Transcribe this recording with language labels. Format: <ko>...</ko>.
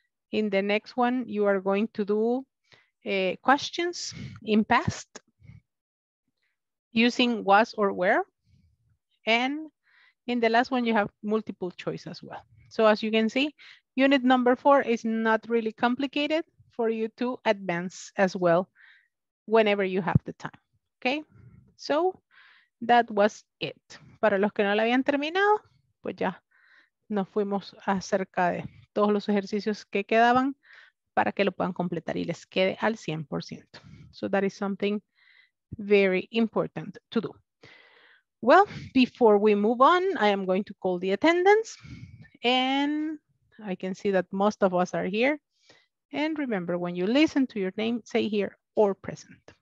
<en>In the next one, you are going to do questions in past using was or where. And in the last one, you have multiple choice as well. So as you can see, unit number 4 is not really complicated for you to advance as well whenever you have the time, okay? So that was it.</en> <es>Para los que no la habían terminado, pues ya nos fuimos acerca de todos los ejercicios que quedaban para que lo puedan completar y les quede al 100%.</es> <en>So that is something very important to do. Well, before we move on, I am going to call the attendance, and I can see that most of us are here. And remember, when you listen to your name, say here or present.</en>